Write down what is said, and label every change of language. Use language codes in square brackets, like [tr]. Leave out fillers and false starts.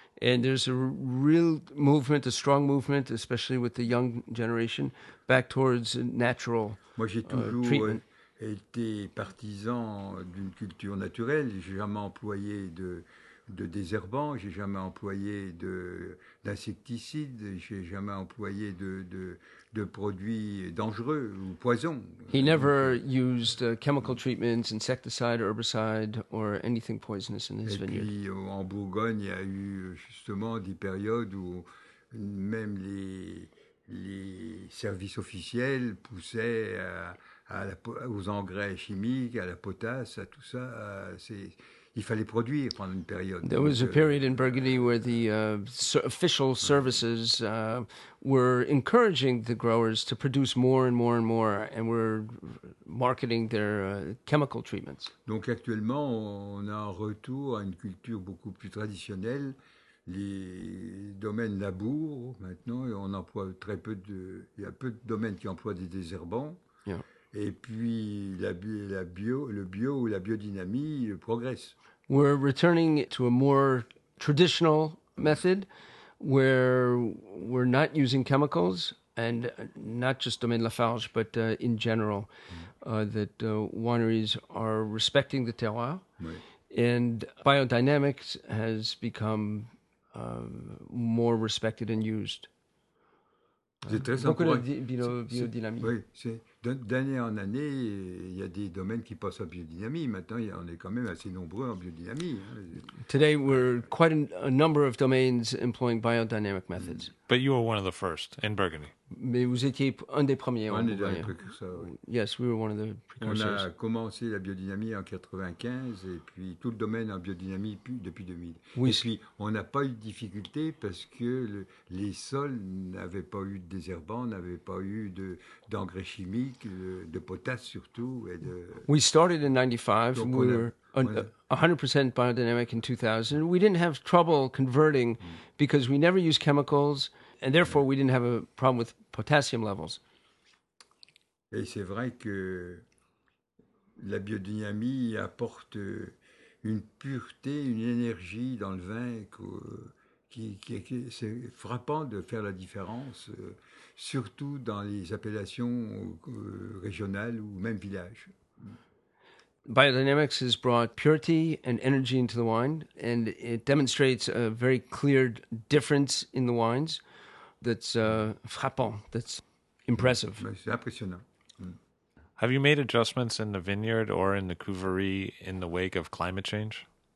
[en] And there's a real movement, a strong movement, especially with the young generation, back towards natural treatment. [fr] Moi, j'ai toujours était partisan d'une culture naturelle. J'ai jamais employé de désherbant, j'ai jamais employé d'insecticide, j'ai jamais employé de produits dangereux ou poisons. [en] He never used chemical treatments, insecticide, herbicide, or anything poisonous in his vineyard. [fr] Et puis en Bourgogne, il y a eu justement des périodes où même les services officiels poussaient aux engrais chimiques, à la potasse, à tout ça. Il fallait produire pendant une période. [en] There was a period in Burgundy where the official services were encouraging the growers to produce more and more and more, and were marketing their chemical treatments. [fr] Donc actuellement, on a un retour à une culture beaucoup plus traditionnelle. Les domaines labourent maintenant, et on emploie très peu de. Il y a peu de domaines qui emploient des désherbants. [en] Yeah. [fr] Et puis le bio ou la biodynamie progresse. [en] We're returning to a more traditional method where we're not using chemicals, and not just Domaine Lafarge, but in general, that wineries are respecting the terroir. [fr] Oui. [en] And biodynamics has become more respected and used. [fr] C'est très important. Oui, c'est d'année en année, il y a des domaines qui passent en biodynamie. Maintenant, on est quand même assez nombreux en biodynamie. [en] Today, we're quite a number of domains employing biodynamic methods. But you were one of the first in Burgundy. [fr] Mais vous étiez un des premiers. On est un précurseur. [en] Yes, we were one of the precursors. [fr] On a commencé la biodynamie en 95 et puis tout le domaine en biodynamie depuis 2000. Oui. Et puis on n'a pas eu de difficulté parce que les sols n'avaient pas eu de désherbants, n'avaient pas eu d'engrais chimiques, de potasse surtout. Et de... [en] We started in 95. Donc we were 100% biodynamic in 2000. We didn't have trouble converting because we never used chemicals. And therefore, we didn't have a problem with potassium levels. [fr] Et c'est vrai que la biodynamie apporte une pureté, une énergie dans le vin qui c'est frappant de faire la différence, surtout dans les appellations régionales ou même villages. [en] Biodynamics has brought purity and energy into the wine, and it demonstrates a very clear difference in the wines. That's frappant, that's impressive. [fr] C'est impressionnant. [en] Have you made adjustments in the vineyard or in the cuverie in the wake of climate change?